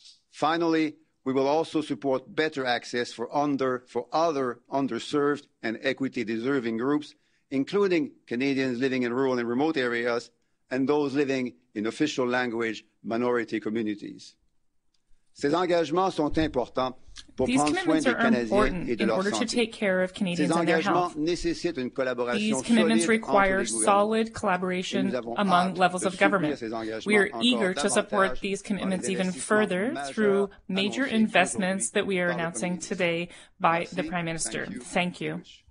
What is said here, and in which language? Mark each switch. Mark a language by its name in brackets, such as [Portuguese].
[English] Finally, we will also support better access for other underserved and equity-deserving groups, including Canadians living in rural and remote areas and those living in official language minority communities. [French] Ces engagements sont importants pour prendre soin des Canadiens et de leur santé. Ces engagements nécessitent une collaboration solide entre les gouvernements. Et nous avons hâte de soutenir ces engagements. [English] We are eager to support these commitments even further through major investments that we are announcing today by the Prime Minister. Thank you.